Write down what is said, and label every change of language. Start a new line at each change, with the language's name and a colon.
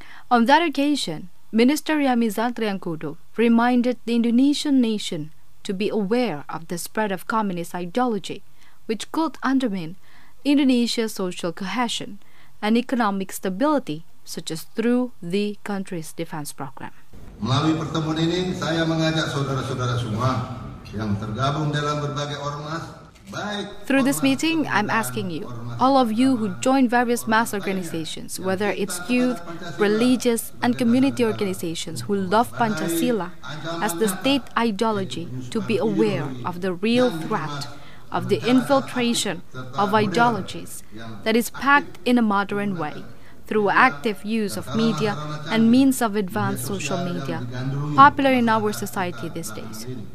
English: On that occasion, Minister Ria Mizar Triangkudu reminded the Indonesian nation to be aware of the spread of communist ideology, which could undermine Indonesia's social cohesion and economic stability, such as through the country's defense program.
Indonesian: Melalui pertemuan ini, saya mengajak saudara-saudara semua yang tergabung dalam berbagai ormas.
English: Through this meeting, I'm asking you, all of you who join various mass organizations, whether it's youth, religious, and community organizations who love Pancasila as the state ideology, to be aware of the real threat of the infiltration of ideologies that is packed in a modern way through active use of media and means of advanced social media, popular in our society these days.